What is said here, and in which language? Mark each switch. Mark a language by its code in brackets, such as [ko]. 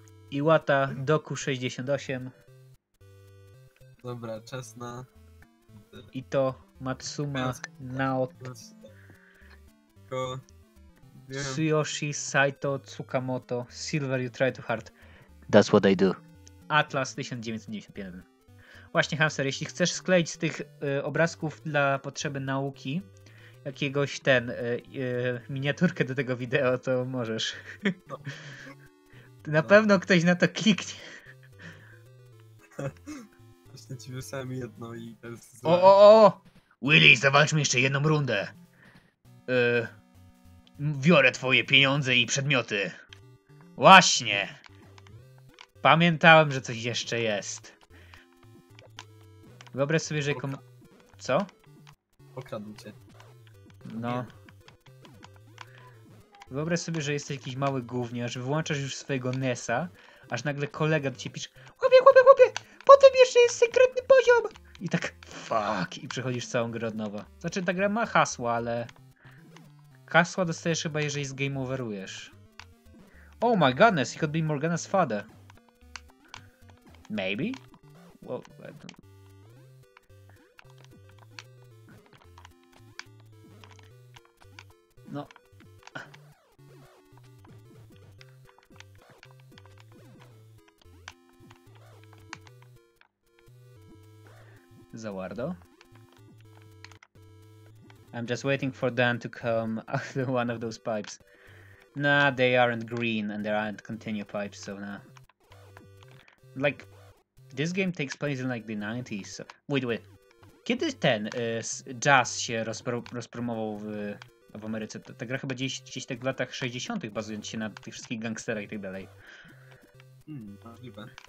[pl] Iwata, Doku 68. Dobra, czas na... Ito, Matsuma, Naoto. [en] Tsuyoshi, Saito, Tsukamoto, Silver, you try too hard. That's what I do. Atlas 1991. [pl] Właśnie, Hamster, jeśli chcesz skleić z tych obrazków dla potrzeby nauki jakiegoś ten miniaturkę do tego wideo, to możesz. No. Na pewno ktoś na to kliknie. Właśnie ci wysłałem jedną i to jest... O, o, o! Willy, zawalczmy jeszcze jedną rundę. Biorę twoje pieniądze i przedmioty. Właśnie. Pamiętałem, że coś jeszcze jest. Wyobraź sobie, że... Co? Pokradł cię. No. Nie. Wyobraź sobie, że jesteś jakiś mały gówniarz, wyłączasz już swojego NES-a, aż nagle kolega do ciebie pisze: chłopie, chłopie, chłopie, potem jeszcze jest sekretny poziom! I tak, fuck, i przechodzisz całą grę od nowa. Znaczy, ta gra ma hasła, ale... Hasła dostajesz chyba, jeżeli zgame-overujesz. [en] Oh my goodness, he could be Morgana's father. Maybe? Well, I don't... No. Zawardo. I'm just waiting for them to come out of one of those pipes. Nah, they aren't green and there aren't continue pipes, so nah. Like, this game takes place in like the 90s. So... Wait. [pl] Kiedy ten jazz się rozpromował w Ameryce? Ta gra chyba gdzieś tak w latach 60. bazując się na tych wszystkich gangsterach i tak dalej. Możliwe.